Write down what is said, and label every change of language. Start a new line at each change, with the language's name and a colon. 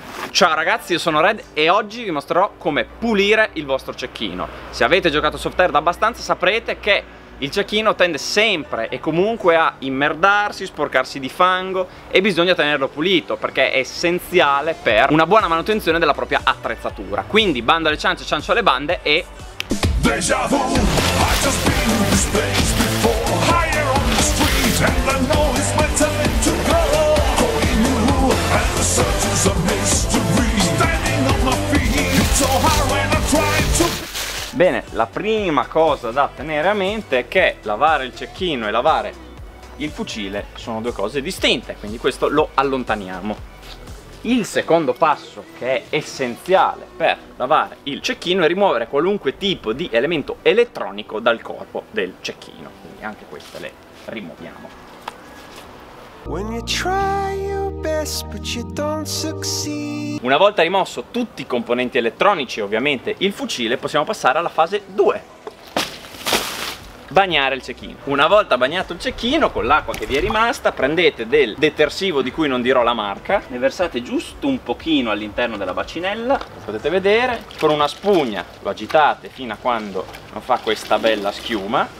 Italian: Ciao ragazzi, io sono Red e oggi vi mostrerò come pulire il vostro cecchino. Se avete giocato soft air da abbastanza saprete che il cecchino tende sempre e comunque a immerdarsi, sporcarsi di fango e bisogna tenerlo pulito perché è essenziale per una buona manutenzione della propria attrezzatura. Quindi bando alle ciance, ciancio alle bande e...
English: Deja vu, I've just been in this place before. Higher on the street and I know it's my time to go. Going new and the search is a mystery. Standing on my feet, it's so hard when I try to...
Italian: Bene, la prima cosa da tenere a mente è che lavare il cecchino e lavare il fucile sono due cose distinte, quindi questo lo allontaniamo. Il secondo passo, che è essenziale per lavare il cecchino, è rimuovere qualunque tipo di elemento elettronico dal corpo del cecchino. Quindi anche queste le rimuoviamo.
English: When you try your best, but you don't succeed.
Italian: Una volta rimosso tutti i componenti elettronici, ovviamente il fucile, possiamo passare alla fase 2. Bagnare il cecchino. Una volta bagnato il cecchino, con l'acqua che vi è rimasta, prendete del detersivo di cui non dirò la marca, ne versate giusto un pochino all'interno della bacinella, come potete vedere, con una spugna lo agitate fino a quando non fa questa bella schiuma.